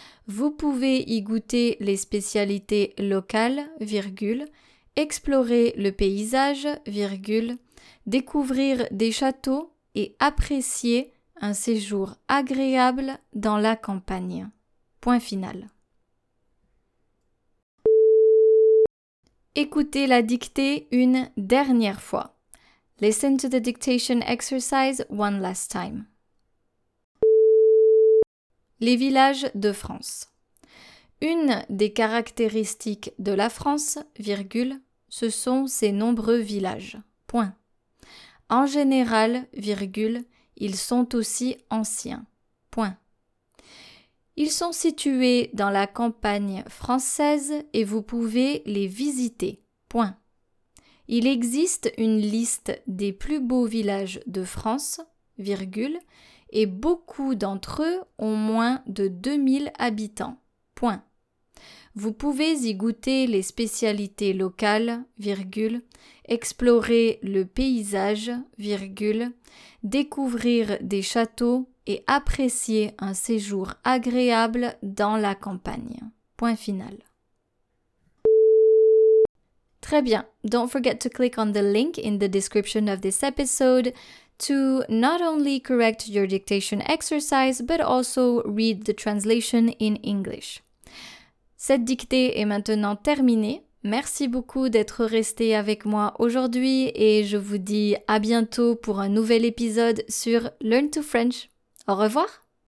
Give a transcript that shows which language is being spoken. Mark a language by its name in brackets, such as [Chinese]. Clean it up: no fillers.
[French] Vous pouvez y goûter les spécialités locales, virgule, explorer le paysage, virgule, découvrir des châteaux et apprécier un séjour agréable dans la campagne. Point final. Écoutez la dictée une dernière fois. [English] Listen to the dictation exercise one last time. [French] Les villages de France. Une des caractéristiques de la France, virgule, ce sont ses nombreux villages. Point. En général, virgule, ils sont aussi anciens. Point. Ils sont situés dans la campagne française et vous pouvez les visiter. Point. Il existe une liste des plus beaux villages de France, virgule, et beaucoup d'entre eux ont moins de 2000 habitants. Point. Vous pouvez y goûter les spécialités locales, virgule, explorer le paysage, virgule, découvrir des châteaux et apprécier un séjour agréable dans la campagne. Point final. Très bien. [English] Don't forget to click on the link in the description of this episode to not only correct your dictation exercise, but also read the translation in English. [French] Cette dictée est maintenant terminée. Merci beaucoup d'être resté avec moi aujourd'hui et je vous dis à bientôt pour un nouvel épisode sur Learn to French. Au revoir!